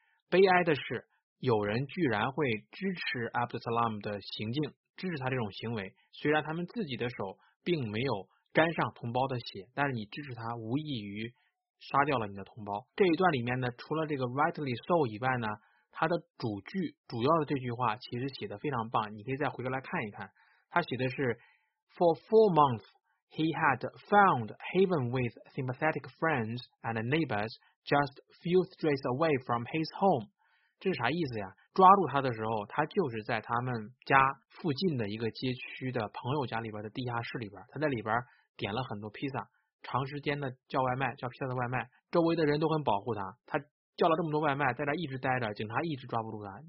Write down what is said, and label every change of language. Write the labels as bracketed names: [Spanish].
[Chinese] 悲哀的是，有人居然会支持 Abdesalam 的行径，支持他这种行为，虽然他们自己的手并没有沾上同胞的血，但是你支持他无异于杀掉了你的同胞。这一段里面呢，除了这个 [English] rightly so [Chinese] 以外呢，它的主句主要的这句话其实写的非常棒，你可以再回过来看一看。它写的是 [English] For 4 months he had found haven with sympathetic friends and neighbors just few streets away from his home。 [Chinese] 这是啥意思呀？抓住他的时候，他就是在他们家附近的一个街区的朋友家里边的地下室里边，他在里边点了很多披萨，长时间的叫外卖，叫披萨的外卖，周围的人都很保护他，他叫了这么多外卖，在这一直待着，警察一直抓不住他。